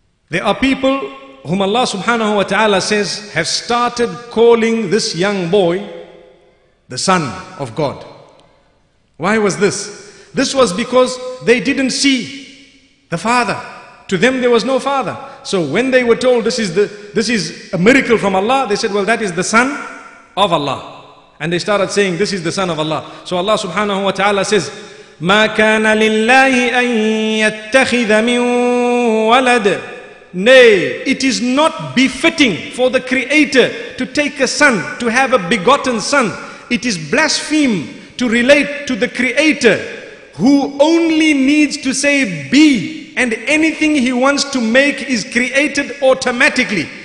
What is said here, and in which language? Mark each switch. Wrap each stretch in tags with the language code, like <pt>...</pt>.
<en>There are people whom Allah subhanahu wa ta'ala says have started calling this young boy the son of God. Why was this? This was because they didn't see the father. To them there was no father. So when they were told this is a miracle from Allah, they said, well, that is the son of Allah. And they started saying, this is the son of Allah. So Allah subhanahu wa ta'ala says,</en> <ar>مَا كَانَ لِلَّهِ أَن يَتَّخِذَ مِن وَلَدَ.</ar> <en>Nay, it is not befitting for the Creator to take a son, to have a begotten son. It is blaspheme to relate to the Creator who only needs to say be, and anything he wants to make is created automatically.</en>